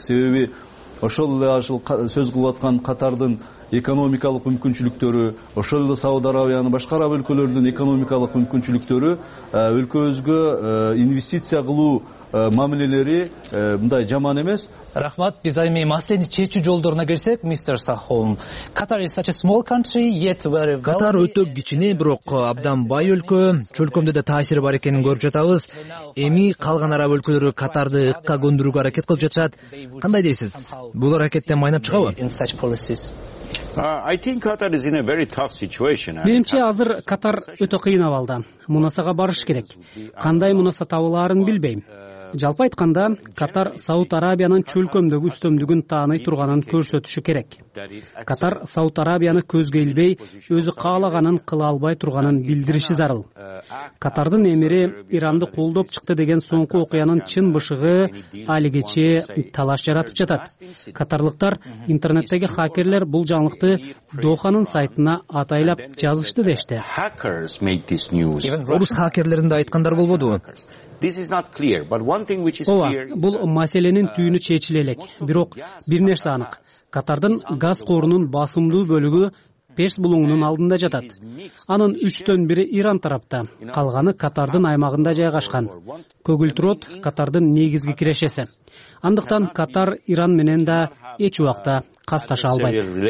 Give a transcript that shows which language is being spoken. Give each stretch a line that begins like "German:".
Kyrgyz: Себеби ошол эле ушул сөз кылып аткан Катардын экономикалык мүмкүнчүлүктөрү, ошол эле Сауд Арабиянын башка араб өлкөлөрүнүн экономикалык мүмкүнчүлүктөрү өлкөбүзгө инвестиция кылуу мамилелери мындай жаман эмес. Рахмат. Биз эми маселени чечүү жолдоруна келсек, мистер Сахом.
English: Катар is such a small country, yet very wealthy.
Kyrgyz: Катар өтө кичине, бирок абдан бай өлкө. Чөлкөмдө да таасири бар экенин көрүп жатабыз. Эми калган араб өлкөлөрү Катарды ыкка көндүрүүгө аракет кылып жатышат. Кандай дейсиз? Бул аракеттен майнап чыгабы?
English: I think Qatar is in a very tough situation.
Kyrgyz: Менимче азыр Катар өтө кыйын абалда. Мунасага барыш керек. Кандай мунаса табыларын билбейм. Жалпы айтканда, Катар Сауд Арабиянын чөлкөмдөгү үстөмдүгүн тааный турганын көрсөтүшү керек. Катар Сауд Арабияны көзгө илбей, өзү каалаганын кыла албай турганын билдириши зарыл. Катардын эмири Иранды колдоп чыкты деген соңку окуянын чын бышыгы алигече талаш жаратып жатат. Катарлыктар интернеттеги хакерлер бул жаңылыкты Доханын сайтына атайлап жазышты дешти. Орус хакерлеринде айткандар болбодубу?
English: This is not clear, but one thing which is clear.
Kyrgyz: Бул маселенин түйүнү чечиле элек, бирок бир нерсе анык. Катардын газ корунун басымдуу бөлүгү Перс булуңунун алдында жатат. Анын 3-тен 1-и Иран тарапта, калганы Катардын аймагында жайгашкан. Көгүлтурот Катардын негизги кирешеси. Андыктан Катар Иран менен да эч убакта касташа албайт.